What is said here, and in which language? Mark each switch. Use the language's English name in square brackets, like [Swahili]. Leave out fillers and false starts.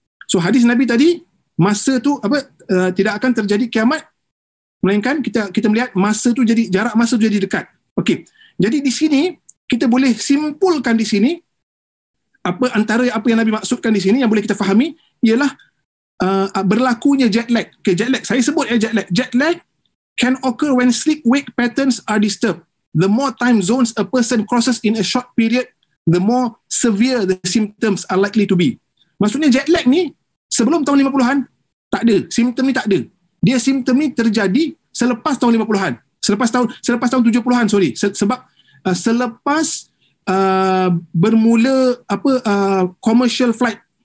[Malay] So hadis Nabi tadi, masa tu tidak akan terjadi kiamat melainkan kita melihat masa tu, jadi jarak masa tu jadi dekat. Okey. Jadi di sini kita boleh simpulkan di sini apa antara apa yang Nabi maksudkan di sini yang boleh kita fahami ialah berlakunya jet lag. Okay, jet lag. Saya sebut ya, jet lag. [English] Jet lag can occur when sleep wake patterns are disturbed. The more time zones a person crosses in a short period, the more severe the symptoms are likely to be. [Malay] Maksudnya jet lag ni sebelum tahun 50-an tak ada. Symptom ni tak ada. Dia symptom ni terjadi selepas tahun 50-an. Selepas tahun 70-an, sorry. Sebab selepas bermula [English] commercial flight.